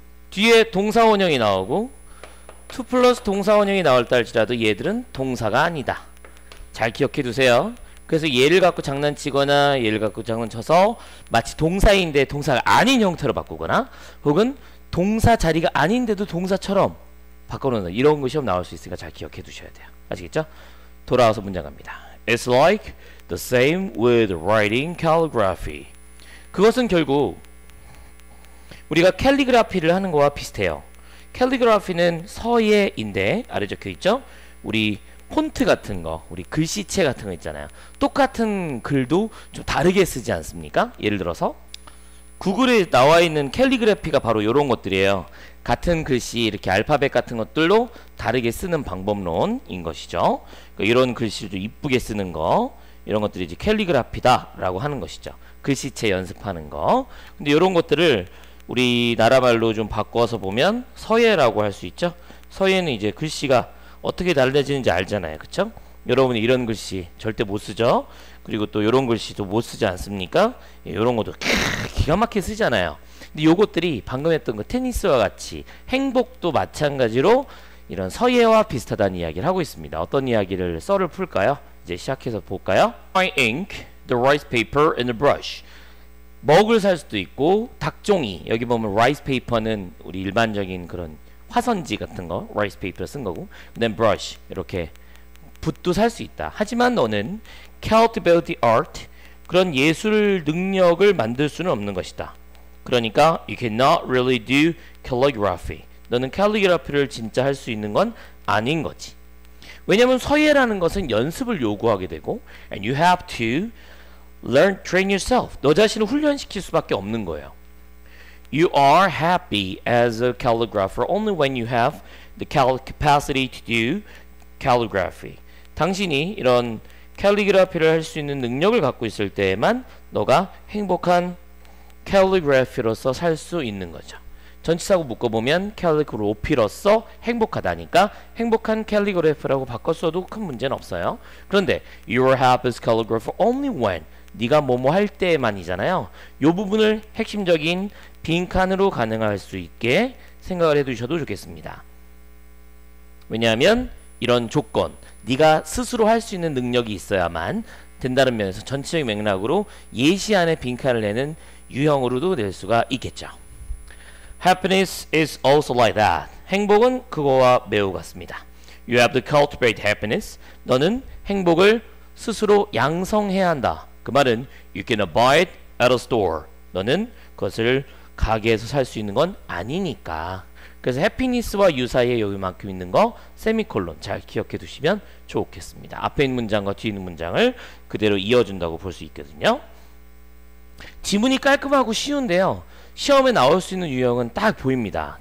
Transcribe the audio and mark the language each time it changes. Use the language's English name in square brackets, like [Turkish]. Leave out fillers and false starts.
[Korean] 뒤에 동사원형이 나오고 to 플러스 동사원형이 나올 때 할지라도 얘들은 동사가 아니다. 잘 기억해두세요. 그래서 얘를 갖고 장난치거나 얘를 갖고 장난쳐서 마치 동사인데 동사가 아닌 형태로 바꾸거나 혹은 동사 자리가 아닌데도 동사처럼 바꿔놓는 이런 것이 나올 수 있으니까 잘 기억해두셔야 돼요. 아시겠죠? 돌아와서 문장 갑니다. [English] It's like the same with writing calligraphy. [Korean] 그것은 결국 우리가 캘리그라피를 하는 것과 비슷해요. 캘리그라피는 서예인데 아래 적혀있죠? 우리 폰트 같은 거, 우리 글씨체 같은 거 있잖아요. 똑같은 글도 좀 다르게 쓰지 않습니까? 예를 들어서 구글에 나와 있는 캘리그라피가 바로 이런 것들이에요. 같은 글씨, 이렇게 알파벳 같은 것들로 다르게 쓰는 방법론인 것이죠. 그러니까 이런 글씨를 좀 이쁘게 쓰는 거 이런 것들이 이제 캘리그라피다 라고 하는 것이죠. 글씨체 연습하는 거. 근데 이런 것들을 우리나라 말로 좀 바꿔서 보면 서예라고 할 수 있죠. 서예는 이제 글씨가 어떻게 달라지는지 알잖아요. 그쵸? 여러분이 이런 글씨 절대 못 쓰죠. 그리고 또 이런 글씨도 못 쓰지 않습니까? 이런 것도 기가 막히게 쓰잖아요. 근데 요것들이 방금 했던 거 테니스와 같이 행복도 마찬가지로 이런 서예와 비슷하다는 이야기를 하고 있습니다. 어떤 이야기를 썰을 풀까요? 이제 시작해서 볼까요? [English] My ink, the rice paper, and the brush. [Korean] 먹을 살 수도 있고 닭종이 여기 보면 rice paper는 우리 일반적인 그런 화선지 같은 거 rice paper 쓴 거고 [English] then brush [Korean] 이렇게 붓도 살 수 있다. 하지만 너는 [English] cultivate the art [Korean] 그런 예술 능력을 만들 수는 없는 것이다. 그러니까 [English] you cannot really do calligraphy. [Korean] 너는 calligraphy를 진짜 할 수 있는 건 아닌 거지. 왜냐면 서예라는 것은 연습을 요구하게 되고 [English] and you have to learn train yourself. [Korean] 너 자신을 훈련시킬 수밖에 없는 거예요. [English] You are happy as a calligrapher only when you have the capacity to do calligraphy. [Korean] 당신이 이런 캘리그라피를 할 수 있는 능력을 갖고 있을 때에만 너가 행복한 캘리그라피로서 살 수 있는 거죠. 전치사하고 묶어보면 캘리그로피로서 행복하다니까 행복한 캘리그래프라고 바꿨어도 큰 문제는 없어요. 그런데 [English] You are happy as calligrapher only when [Korean] 네가 뭐뭐 할 때만이잖아요. 요 부분을 핵심적인 빈칸으로 가능할 수 있게 생각을 해두셔도 좋겠습니다. 왜냐하면 이런 조건, 네가 스스로 할 수 있는 능력이 있어야만 된다는 면에서 전체적인 맥락으로 예시 안에 빈칸을 내는 유형으로도 될 수가 있겠죠. [English] Happiness is also like that. [Korean] 행복은 그거와 매우 같습니다. [English] You have to cultivate happiness. [Korean] 너는 행복을 스스로 양성해야 한다. 그 말은 [English] You cannot buy it at a store. [Korean] 너는 그것을 가게에서 살 수 있는 건 아니니까. 그래서 happiness와 you 사이에 여기만큼 있는 거 세미콜론 잘 기억해 두시면 좋겠습니다. 앞에 있는 문장과 뒤에 있는 문장을 그대로 이어준다고 볼 수 있거든요. 지문이 깔끔하고 쉬운데요. 시험에 나올 수 있는 유형은 딱 보입니다.